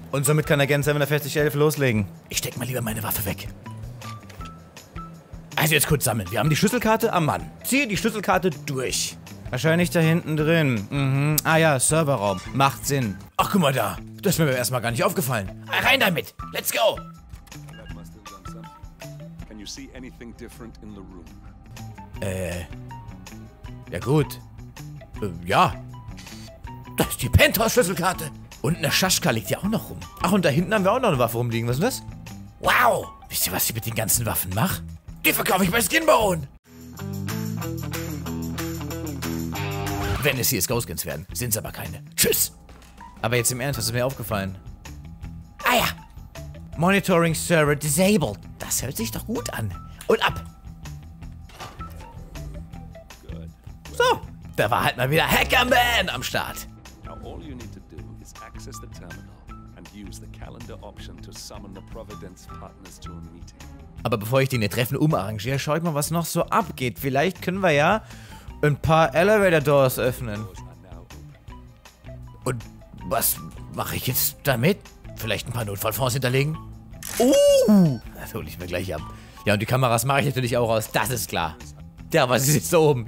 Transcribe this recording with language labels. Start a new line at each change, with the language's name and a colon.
German: Und somit kann der Gen 7 der Festliche Elf loslegen. Ich steck mal lieber meine Waffe weg. Also jetzt kurz sammeln. Wir haben die Schlüsselkarte am Mann. Ziehe die Schlüsselkarte durch. Wahrscheinlich da hinten drin. Mhm. Ah ja, Serverraum. Macht Sinn. Ach, guck mal da. Das ist mir beim ersten Mal gar nicht aufgefallen. Rein damit.
English: Let's go. Can you see anything different in the room?
German: Ja gut. Ja. Das ist die Penthouse-Schlüsselkarte. Und eine Schaschka liegt ja auch noch rum. Ach, und da hinten haben wir auch noch eine Waffe rumliegen. Was ist das? Wow. Wisst ihr, was ich mit den ganzen Waffen mache? Die verkaufe ich bei Skinbone. Wenn es CSGO-Skins werden, sind es aber keine. Tschüss. Aber jetzt im Ernst, was ist mir aufgefallen? Ah ja.
English: Monitoring Server disabled.
German: Das hört sich doch gut an. Und ab. So, da war halt mal wieder Hackerman am Start.
English: Now all you need to do is access the terminal and use the calendar option to summon the Providence partners to a meeting.
German: Aber bevor ich den Treffen umarrangiere, schau ich mal, was noch so abgeht. Vielleicht können wir ja ein paar Elevator-Doors öffnen. Und was mache ich jetzt damit? Vielleicht ein paar Notfallfonds hinterlegen? Das hole ich mir gleich ab. Ja, und die Kameras mache ich natürlich auch aus, das ist klar. Ja, was ist jetzt da oben?